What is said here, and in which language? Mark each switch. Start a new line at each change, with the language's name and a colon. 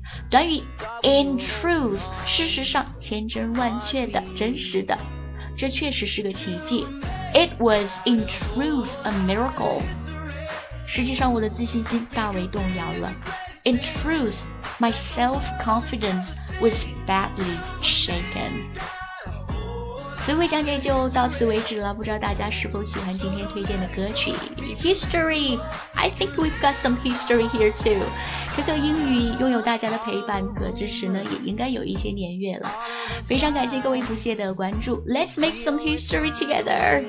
Chinese: 短语 in truth 事实上千真万确的真实的这确实是个奇迹
English: it was in truth a miracle
Chinese: 实际上我的自信心大为动摇了
English: in truth my self-confidenceWas badly shaken.
Chinese: 词汇讲解就到此为止了。不知道大家是否喜欢今天推荐的歌曲 ？
English: History, I think we've got some history here too.
Chinese: 可可英语拥有大家的陪伴和支持呢，也应该有一些年月了。非常感谢各位不懈的关注。
English: Let's make some history together.